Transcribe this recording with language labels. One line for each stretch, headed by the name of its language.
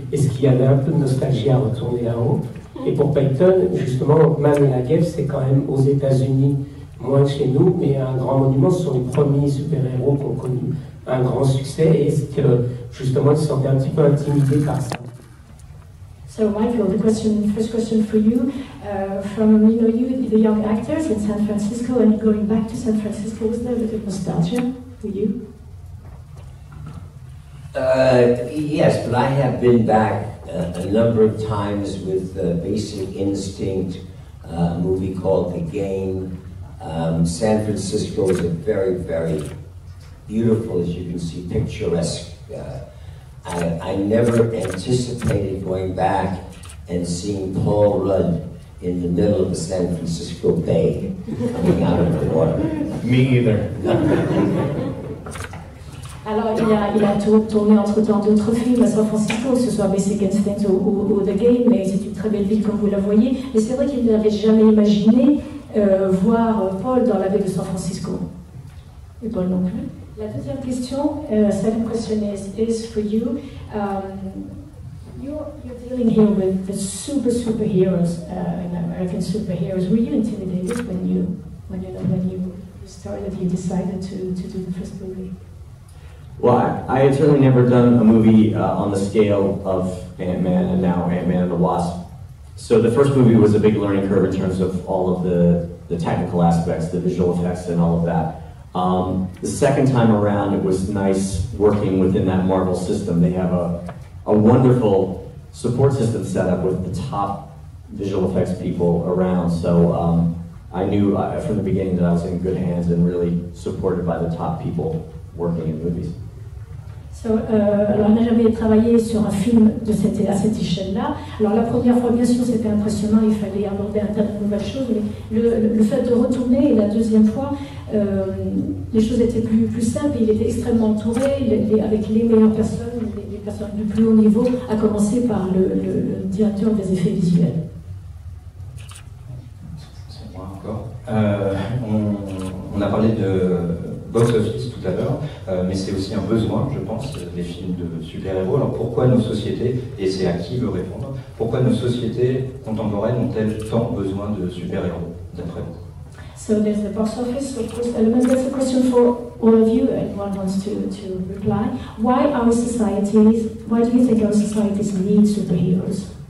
French: Est-ce qu'il y avait un peu de nostalgie à retourner là-haut? Et pour Peyton, justement, Man et la guerre, c'est quand même aux États-Unis, moins que chez nous, mais un grand monument. Ce sont les premiers super-héros qui ont connu un grand succès. Est-ce que, justement, ils sont un petit peu intimidés par ça?
English: So, Michael, the question, first question for you. From, you know, you, the young actors in San Francisco, and going back to San Francisco, was there a bit of nostalgia for you? Yes, but I have been back a number of times with Basic Instinct, a movie called The Game. San Francisco is a very, very beautiful, as you can see, picturesque. I never anticipated going back and seeing Paul Rudd in the middle of the San Francisco Bay coming out of the water. Me either.
French: Alors, il a tourné entre-temps d'autres films à San Francisco, que ce soit Basic Instinct ou The Game, mais c'est une très belle ville comme vous la voyez. Mais c'est vrai qu'il n'avait jamais imaginé voir Paul dans la baie de San Francisco. Et Paul non plus. La deuxième question,
English: second question is for you. You're dealing here with the superheroes, American superheroes. Were you intimidated when you decided to do the first movie? Well, I had certainly never done a movie on the scale of Ant-Man and now Ant-Man and the Wasp. So the first movie was a big learning curve in terms of all of the technical aspects, the visual effects and all of that. The second time around, it was nice working within that Marvel system. They have a wonderful support system set up with the top visual effects people around. So I knew from the beginning that I was in good hands and really supported by the top people working in movies.
French: So, alors, on a jamais travaillé sur un film à cette échelle-là. Alors, la première fois, bien sûr, c'était impressionnant, il fallait aborder un tas de nouvelles choses, mais le fait de retourner, la deuxième fois, les choses étaient plus simples, il était extrêmement entouré, avec les meilleures personnes, les personnes du plus haut niveau, à commencer par le directeur des effets visuels. C'est moi encore. On a parlé de box-office tout à l'heure, mais c'est aussi un besoin, je pense, des films de super-héros. Alors pourquoi nos sociétés, et c'est à qui veut répondre, pourquoi nos sociétés contemporaines ont-elles tant besoin de super-héros, d'après vous?
English: So there's the box-office, of course, element. That's a question for all of you, anyone wants to reply. Why our societies, why do you think our societies need superheroes?